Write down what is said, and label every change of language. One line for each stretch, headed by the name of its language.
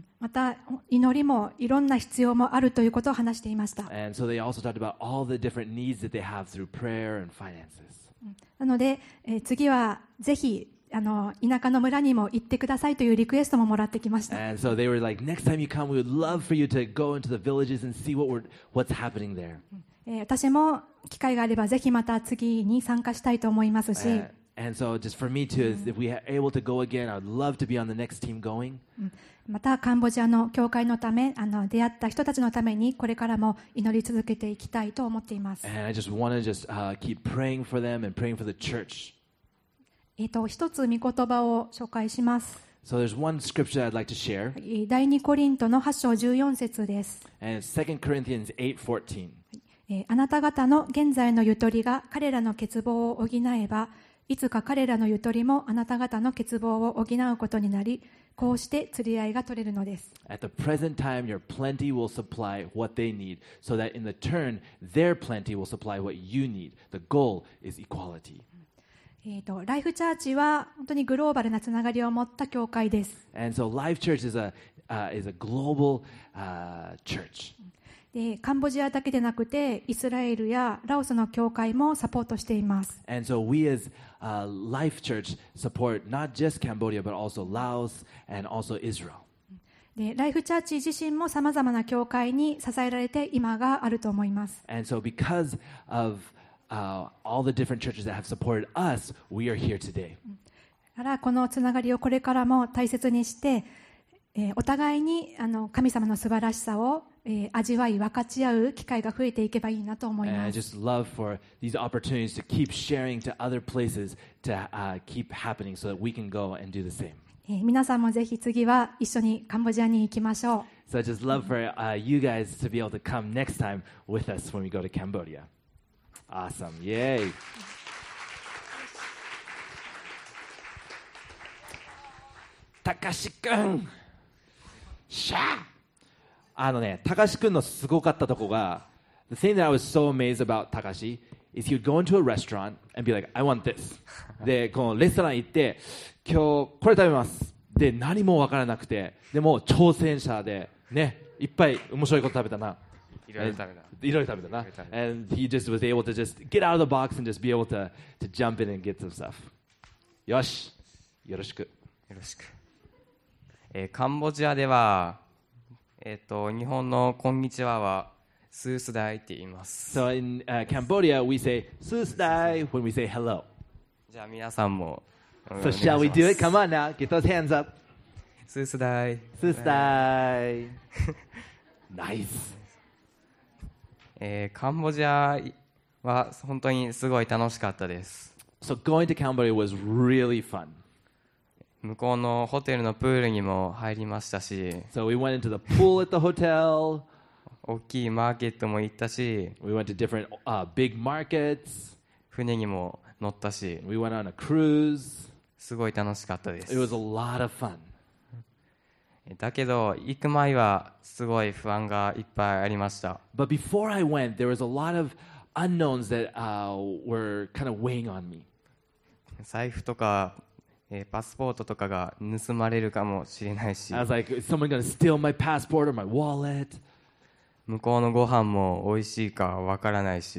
Japanese: また祈りもいろんな必要もあるということを話していました。
English: And so they also talked about all the different needs that they have through prayer and finances.
Japanese: なので、次はぜひ田舎の村にも行ってくださいというリクエストももらってきました。
English: And so they were like, next time you come, we would love for you to go into the villages and see what's happening there.
Japanese: 私も機会があればぜひまた次に参加したいと思いますし。
English: And so just for me too, if we are able to go again, I'd love to be on the next team going.
Japanese: またカンボジアの教会のため、出会った人たちのためにこれからも祈り続けていきたいと思っています。
English: And I just want to just keep praying for them and praying for the church.
Japanese: 一つ御言葉を紹介します。
English: So there's one scripture I'd like to share.
Japanese: 第二コリントの8章14節です。
English: And it's 2 Corinthians 8:14.
Japanese: あなた方の現在のゆとりが彼らの欠乏を補えば、いつか彼らのゆとりもあなた方の欠乏を補うことになり、こうして釣り合いが取れるのです。
English: At the present time, your plenty will supply what they need, so that in the turn, their plenty will supply what you need. The goal is equality.
Japanese: ライフチャーチは本当にグローバルなつながりを持った教会です。
English: And so Life Church is a global church.
Japanese: で、カンボジアだけでなくて、イスラエルやラオスの教会もサポートしています。
English: And so we as Life Church support not just Cambodia but also Laos and also Israel.
Japanese: でライフチャーチ自身もさまざまな教会に支えられて今があると思います。
English: And so because of, all the different churches that have supported us, we are here today.
Japanese: だからこのつながりをこれからも大切にして、お互いに神様の素晴らしさを、味わい分かち合う機会が増えていけばいいなと思います。
English: And I just love for these opportunities to keep sharing to other places to, keep happening so that we can go and do the same.
Japanese: 皆さんもぜひ次は一緒にカンボジアに行きましょう。
English: So I just love for, you guys to be able to come next time with us when we go to Cambodia. Awesome. Yay.
Japanese: Takashi君。シャー。あのね、Takashi君のすごかったとこが、
English: The thing that I was so amazed about Takashi is he would go into a restaurant and be like, I want this.
Japanese: で、このレストラン行って、今日これ食べますで何も分からなくてでも挑戦者でねいっぱい面白いこと食べたないろいろ食べたいろいろ食べたな
English: and he just was able to just get out of the box and just be able to jump in and get some stuff
Japanese: よしよろしくよろしく、カンボジアでは日本のこんにちははスースダイって言います
English: so in、Cambodia we say スースダイ when we say hello
Japanese: じゃあ皆さんも
English: So shall we do it? Come on now, get those hands up.
Khmer: スースダイ。スースダイ。ナイス。
Japanese: カンボジアは本当にすごい楽しかったです。
English: So going to Cambodia was really fun.
Japanese: 向こうのホテルのプールにも入りましたし。
English: So we went into the pool at the hotel.
Japanese: 大きいマーケットも行ったし。
English: We went to different, big markets.
Japanese: 船にも乗ったし。
English: We went on a cruise.
Japanese: すごい楽しかったです。
English: It was a lot of fun.
Japanese: だけど行く前はすごい不安がいっぱいありました。
English: But before I went, there was a lot of unknowns that, were kind of weighing on me.
Japanese: 財布とか、パスポートとかが盗まれるかもしれないし。
English: I was like, is someone gonna steal my passport or my wallet?
Japanese: 向こうのご飯も美味しいかわからないし。